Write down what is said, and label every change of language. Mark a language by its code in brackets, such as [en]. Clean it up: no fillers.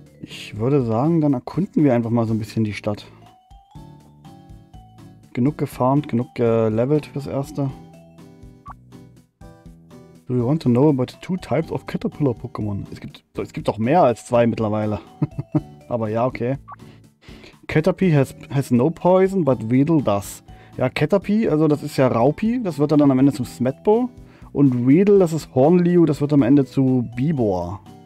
[de] Ich würde sagen, dann erkunden wir einfach mal so ein bisschen die Stadt. Genug gefarmt, genug gelevelt fürs Erste. [en] Do you want to know about the two types of Caterpillar Pokémon? [de] Es gibt auch mehr als zwei mittlerweile. Aber ja, okay. [en] Caterpie has no poison, but Weedle does. [de] Ja, Caterpie, also das ist ja Raupi, das wird dann am Ende zum Smetbo. Und Weedle, das ist Hornliu, das wird am Ende zu Beboar.